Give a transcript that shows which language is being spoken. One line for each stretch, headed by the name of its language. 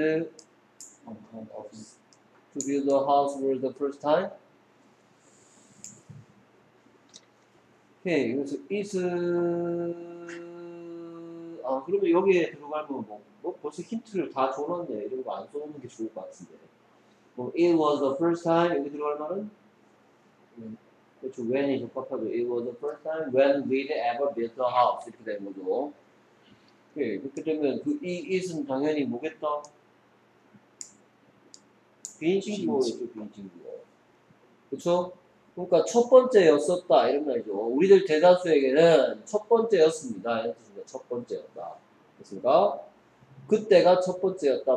English: To build a house for the first time.
Korean: Okay, so is 아 그러면 여기에 들어갈 뭐 벌써 힌트를 다 줬는데 이런 거 안 써놓는 게 좋을 것 같은데. 뭐 it was the first time 여기 들어갈 말은 그렇죠 when이 적합하죠.
English: It was the first time when we'd ever built a house 이렇게 된 거죠.
Korean: 오케이 그렇게 되면 그 이 is는 당연히 뭐겠다. 개인 친구였죠, 개인 친구요. 그쵸? 그러니까 첫 번째였었다, 이런 말이죠. 우리들 대다수에게는 첫 번째였습니다. 이런 뜻입니다. 첫 번째였다. 됐습니까? 그때가 첫 번째였다.